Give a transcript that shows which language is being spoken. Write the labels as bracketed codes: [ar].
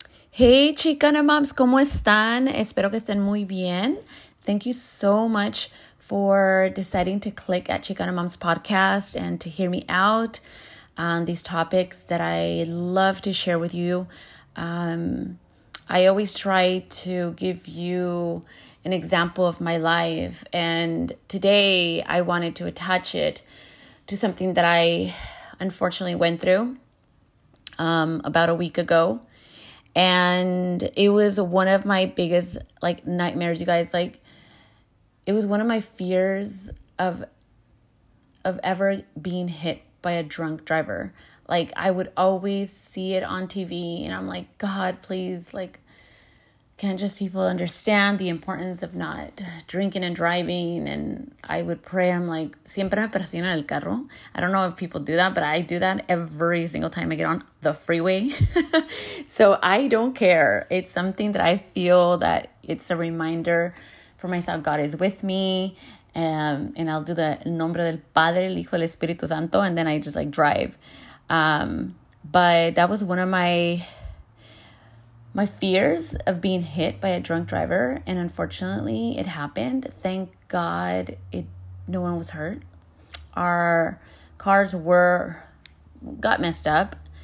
[es] Hey, Chicana moms, ¿cómo están? Espero que estén muy bien. [en] Thank you so much for deciding to click at Chicana Moms Podcast and to hear me out on these topics that I love to share with you. I always try to give you an example of my life, and today I wanted to attach it to something that I unfortunately went through about a week ago, and it was one of my biggest nightmares, you guys. It was one of my fears of ever being hit by a drunk driver. I would always see it on TV, and I'm like, God, please, can't just people understand the importance of not drinking and driving? And I would pray. I'm like, [es] siempre me persiguen en el carro. [en] I don't know if people do that, but I do that every single time I get on the freeway. So I don't care. It's something that I feel that it's a reminder for myself. God is with me. And I'll do the [es] nombre del Padre, el Hijo, el Espíritu Santo. [en] And then I just drive. But that was one of my fears of being hit by a drunk driver, and unfortunately it happened. Thank God no one was hurt. Our cars got messed up.